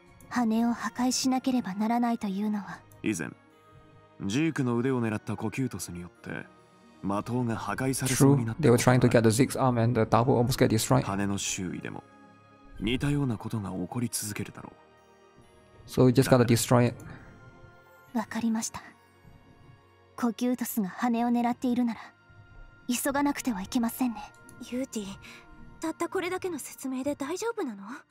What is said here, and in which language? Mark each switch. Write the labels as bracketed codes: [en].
[ja] 羽を破壊しなければならないというのは、以前ジークの腕を狙ったコキュートスによって的が破壊されそうになった。 [en] True, they were trying to get the Zeke's arm and the double almost got destroyed. [ja] 羽の周囲でも似たようなことが起こり続けるだろう。 [en] So we just gotta destroy it. [ja] わかりました。コキュートスが羽を狙っているなら急がなくてはいけませんね。ユーティ、たったこれだけの説明で大丈夫なの？